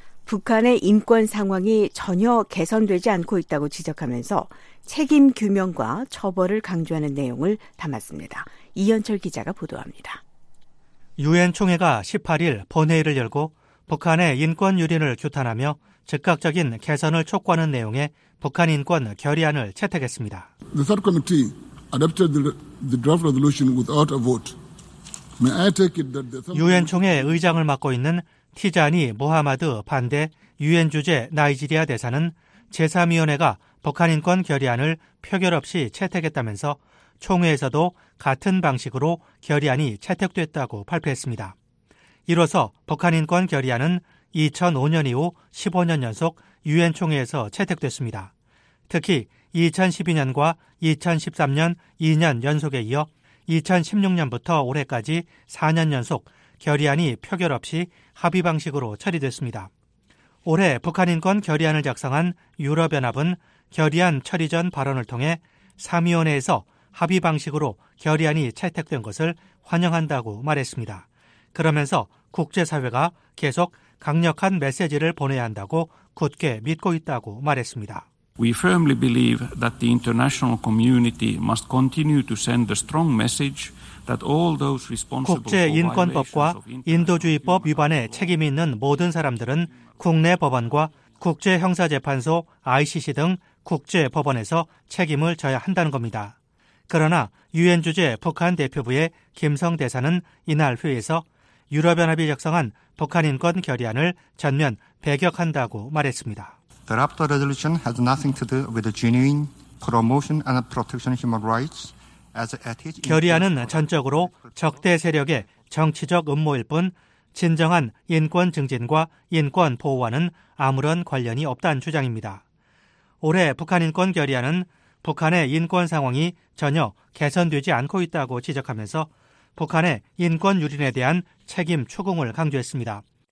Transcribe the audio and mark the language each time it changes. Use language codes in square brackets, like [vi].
[ko] 북한의 인권 상황이 전혀 개선되지 않고 있다고 지적하면서 책임 규명과 처벌을 강조하는 내용을 담았습니다. 이현철 기자가 보도합니다. 유엔 총회가 18일 본회의를 열고 북한의 인권 유린을 규탄하며 즉각적인 개선을 촉구하는 내용의 북한 인권 결의안을 채택했습니다. [en] The third committee adopted the draft resolution without a vote. May I take it that the [ko] 유엔 총회 의장을 맡고 있는 티자니 모하마드 반대 유엔 주재 나이지리아 대사는 제3위원회가 북한 인권 결의안을 표결 없이 채택했다면서 총회에서도 같은 방식으로 결의안이 채택됐다고 발표했습니다. 이로써 북한 인권 결의안은 2005년 이후 15년 연속 유엔 총회에서 채택됐습니다. 특히 2012년과 2013년 2년 연속에 이어 2016년부터 올해까지 4년 연속 결의안이 표결 없이 합의 방식으로 처리됐습니다. 올해 북한 인권 결의안을 작성한 유럽연합은 결의안 처리 전 발언을 통해 3위원회에서 합의 방식으로 결의안이 채택된 것을 환영한다고 말했습니다. 그러면서 국제사회가 계속 강력한 메시지를 보내야 한다고 굳게 믿고 있다고 말했습니다. [en] We firmly believe that the international community must continue to send a strong message that all those responsible [ko] 국제인권법과 인도주의법 위반에 책임이 있는 모든 사람들은 국내 법원과 국제형사재판소 ICC 등 국제법원에서 책임을 져야 한다는 겁니다. 그러나 유엔 주재 북한 대표부의 김성 대사는 이날 회의에서 유럽연합이 작성한 북한 인권 결의안을 전면 배격한다고 말했습니다. [en] The Raptor resolution has nothing to do with the genuine promotion and protection of human rights as it is. [ko] 결의안은 전적으로 적대 세력의 정치적 음모일 뿐 진정한 인권 증진과 인권 보호와는 아무런 관련이 없다는 주장입니다. 올해 북한 인권 결의안은 북한의 인권 상황이 전혀 개선되지 않고 있다고 지적하면서 북한의 인권 유린에 대한 책임 추궁을 강조했습니다.